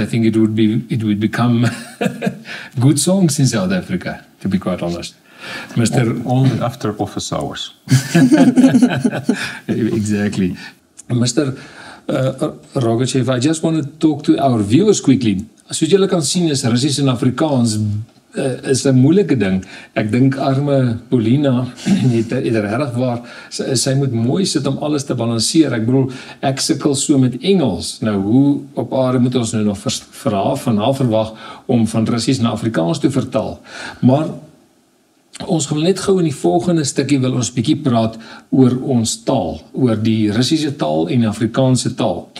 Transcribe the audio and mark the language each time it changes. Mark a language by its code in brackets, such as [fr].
[en] I think it would become good songs in South Africa, to be quite honest. Mr. Only after office hours. Exactly. Mr. Rogachev, I just want to talk to our viewers quickly. [af] Soos julle kan sien, is Russisch en Afrikaans is 'n moeilike ding. Ek dink arme Polina het regtig waar, sy moet mooi sit om alles te balanseer. Ek bedoel, ek sukkel so met Engels. Nou, hoe op aarde moet ons nou nog verwag om van Russisch na Afrikaans te vertaal? Maar ons gaan net gou in die volgende stukkie wil ons bietjie praat oor ons taal, oor die Russiese taal en Afrikaanse taal.